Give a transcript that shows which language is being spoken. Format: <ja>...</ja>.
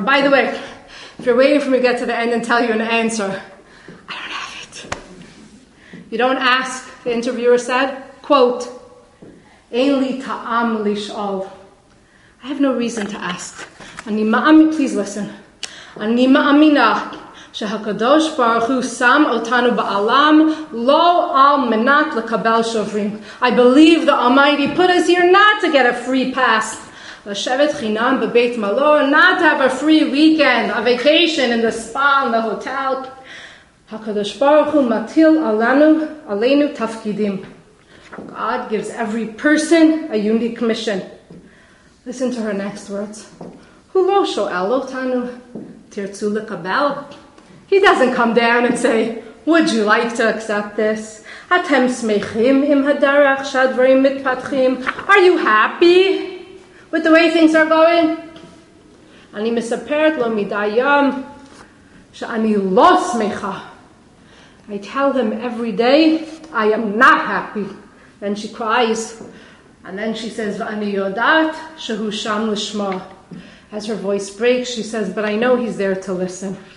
<en>By the way, if you're waiting for me to get to the end and tell you an answer, I don't have it. You don't ask, the interviewer said, quote,</en> <he>"Ein li ta'am lish'ol."</he> <en>I have no reason to ask.</en> <he>אני מאמין,</he> <en>please listen.</en> <he>אני מאמינה שהקדוש ברוך הוא שם אותנו בעולם לא על מנת לקבל שוברים.</he> <en>I believe the Almighty put us here not to get a free pass.</en> <he>לשבת חינם בבית מלון,</he> <en>not to have a free weekend, a vacation in the spa, in the hotel.</en> <he>הקדוש ברוך הוא מטיל עלינו תפקידים.</he> <en>God gives every person a unique mission. Listen to her next words.</en> <he>הוא לא שואל אותנו, תרצו לקבל?</he> <en>He doesn't come down and say, would you like to accept this?</en> <he>אתם שמחים עם הדרך שהדברים מתפתחים?</he> <en>Are you happy with the way things are going?</en> <he>אני מספרת לו מדי יום שאני לא שמחה.</he> <en>I tell him every day, I am not happy. Then she cries. And then she says,</en> <he>"V'ani yodat shehu sham l'shma."</he> <en>As her voice breaks, she says, "But I know he's there to listen."</en>